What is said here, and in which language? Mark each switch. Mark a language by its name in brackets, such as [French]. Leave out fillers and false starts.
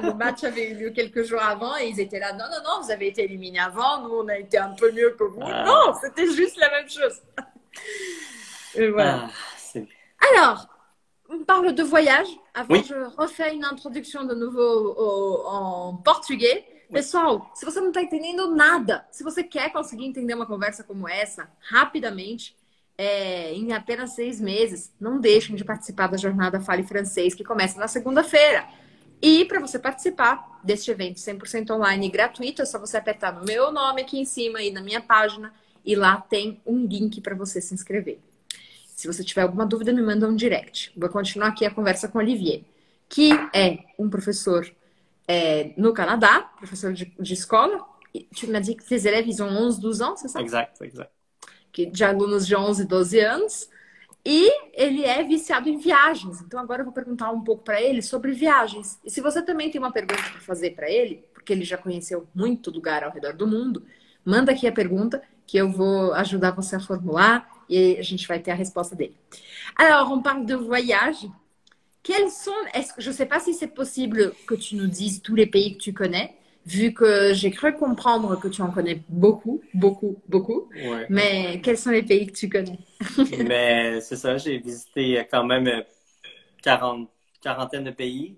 [French] Le match avait eu lieu quelques jours avant et ils étaient là. Non, non, non, vous avez été éliminés avant. Nous, on a été un peu mieux que vous. Ah. Non, c'était juste la même chose. Et voilà. Ah, c'est... Alors, on parle de voyage. Avant, oui. Je refais une introduction de nouveau en portugais. [Portuguese] Pessoal, se você não está entendendo nada, se você quer conseguir entender uma conversa como essa, rapidamente, em apenas 6 meses, não deixem de participar da Jornada Fale Francês, que começa na segunda-feira. E para você participar deste evento 100% online e gratuito, é só você apertar no meu nome aqui em cima e na minha página, e lá tem um link para você se inscrever. Se você tiver alguma dúvida, me manda um direct. Vou continuar aqui a conversa com Olivier, que é um professor... no Canadá, professor de escola. [French] Tu m'as dit que tes élèves, ils ont 11, 12 ans, c'est ça? Exact, exact. [Portuguese] Que, de alunos de 11, 12 anos. E ele é viciado em viagens. Então, agora eu vou perguntar um pouco para ele sobre viagens. E se você também tem uma pergunta para fazer para ele, porque ele já conheceu muito lugar ao redor do mundo, manda aqui a pergunta que eu vou ajudar você a formular e a gente vai ter a resposta dele. [French] Alors, on parle de voyage. Quels sont, je ne sais pas si c'est possible que tu nous dises tous les pays que tu connais, vu que j'ai cru comprendre que tu en connais beaucoup, beaucoup, beaucoup. Ouais. Mais quels sont les pays que tu connais? Mais c'est ça, j'ai visité quand même 40 de pays.